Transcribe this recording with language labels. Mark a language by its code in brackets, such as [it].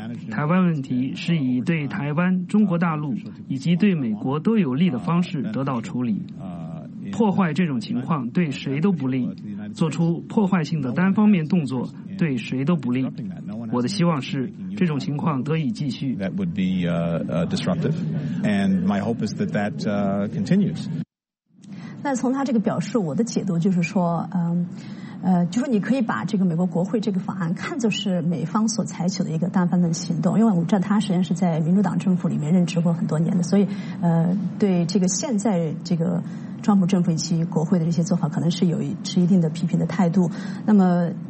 [zh] 台湾问题是以对台湾、中国大陆以及对美国都有利的方式得到处理。破坏这种情况对谁都不利，做出破坏性的单方面动作对谁都不利。我的希望是这种情况得以继续。 [en] That would be disruptive, and my hope is that that continues. [zh] 那从他这个表述，我的解读就是说，就说你可以把这个美国国会这个法案看作是美方所采取的一个单方面行动，因为我知道他实际上是在民主党政府里面任职过很多年的，所以对这个现在这个川普政府以及国会的这些做法，可能是有持一定的批评的态度。那么